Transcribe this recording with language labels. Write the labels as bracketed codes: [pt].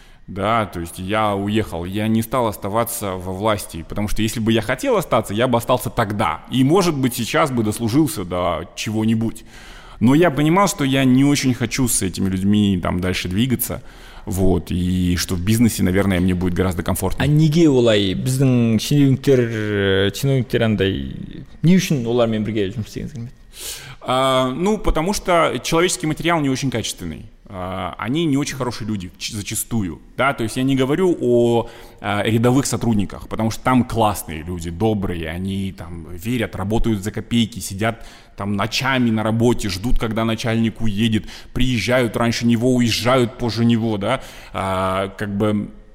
[ru] Да, то есть я уехал, я не стал оставаться во власти, потому что если бы я хотел остаться, я бы остался тогда. И, может быть, сейчас бы дослужился до чего-нибудь. Но я понимал, что я не очень хочу с этими людьми там дальше двигаться. Вот, и что в бизнесе, наверное, мне будет гораздо комфортнее. [kk] А неге олай біздің чиновниктер, чиновниктер андай, не үшін олар мен бірге жұмыс істегіңіз келмейді? [ru] Ну, потому что человеческий материал не очень качественный. Они не очень хорошие люди зачастую, да, то есть я не говорю о рядовых сотрудниках, потому что там классные люди, добрые, они там верят, работают за копейки, сидят там ночами на работе, ждут, когда начальник уедет, приезжают раньше него, уезжают позже него, да, как бы,